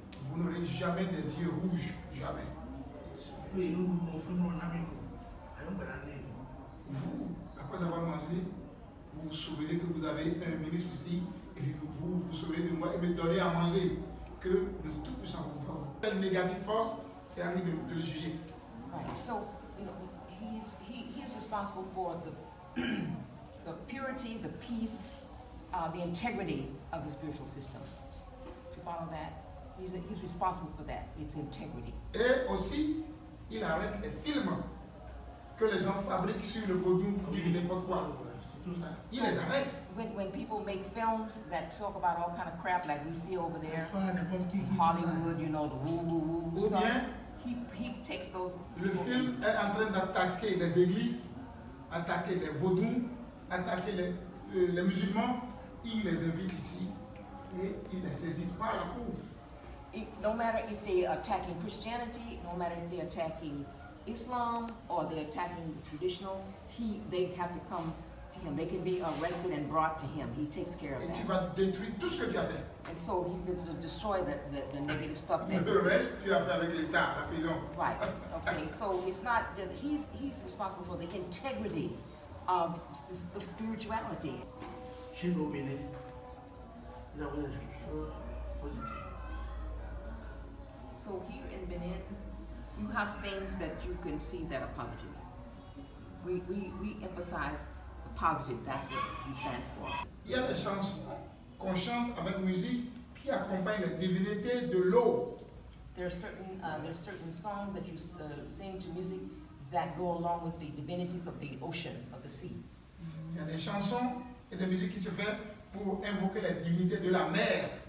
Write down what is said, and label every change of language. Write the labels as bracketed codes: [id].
[fr] Vous n'aurez jamais des yeux rouges, jamais. Vous, après avoir mangé, vous vous souvenez que vous avez un ministre ici et vous vous souvenez de moi et me donnez à manger que le tout puissant vous fasse. Telle négative force, c'est à lui de le juger. [en] Right. So, you know, he's responsible for the purity, the peace, the integrity of the spiritual system. Do you follow that? He's responsible for that, its integrity. [fr] Et aussi, il arrête les films que les gens fabriquent sur le vaudou pour dire n'importe quoi. [en] So when people make films that talk about all kind of crap like we see over there, Hollywood, you know, the woo-woo-woo stuff, he takes those... [fr] Le film est en train d'attaquer les églises, attaquer les vaudous, attaquer les musulmans, il les invite ici et il les saisit par la cour. [en] No matter if they are attacking Christianity, no matter if they are attacking Islam or they're attacking the traditional, they have to come... him. They can be arrested and brought to him. He takes care of [fr] et [en] that. [fr] Tu vas détruire tout ce que tu as fait. [en] And so he can destroy the negative stuff. [fr] Le reste tu as fait avec l'État, la prison. [en] Right. Okay. So it's not just, he's responsible for the integrity of spirituality. She will be there. That was positive. So here in Benin, you have things that you can see that are positive. We emphasize the positive, that's what he stands for. [fr] Il y a des chants qu'on chante avec musique qui accompagnent les divinités de l'eau. [en] There are certain songs that you sing to music that go along with the divinities of the ocean, of the sea. [fr] Il y a des chansons et des musiques que tu fais pour invoquer les divinités de la mer.